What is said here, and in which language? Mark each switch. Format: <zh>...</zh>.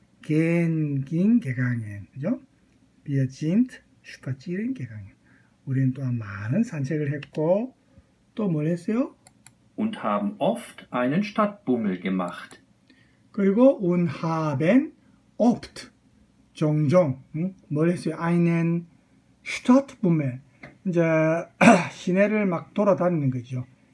<de>gehen ging gegangen.</de> <ko>그죠?</ko> <de>Wir sind spazieren gegangen.</de> <ko>우리는 또한 많은 산책을 했고 또 뭘 했어요?</ko> <de>und haben oft einen Stadtbummel gemacht.</de> <ko>그리고</ko> <de>und haben oft</de> <ko>종종 뭘 했어요?</ko> <de>einen Stadtbummel</de> <ko>이제 시내를 막 돌아다니는 거죠.</ko>